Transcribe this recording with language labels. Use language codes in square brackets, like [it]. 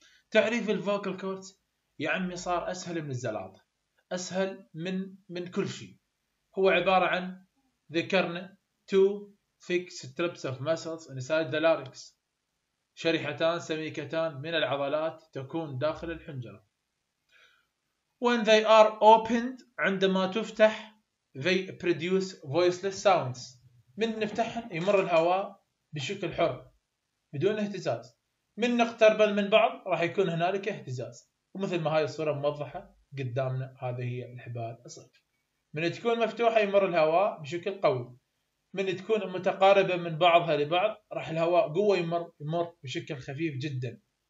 [ar] تعريف الفوكال كورتس يا عمي صار اسهل من الزلاطه، اسهل من كل شيء. هو عباره عن ذكرنا [en] two thick strips of muscles inside the larynx، [ar] شريحتان سميكتان من العضلات تكون داخل الحنجره. [en] when they are opened [ar] عندما تفتح [en] they produce voiceless sounds. [ar] من نفتحهم يمر الهواء بشكل حر بدون اهتزاز. من نقترب من بعض راح يكون هنالك اهتزاز. ومثل ما هاي الصورة موضحة قدامنا هذه هي الحبال الصيف. من تكون مفتوحة يمر الهواء بشكل قوي. من تكون متقاربة من بعضها لبعض راح الهواء قوة يمر بشكل خفيف جدا.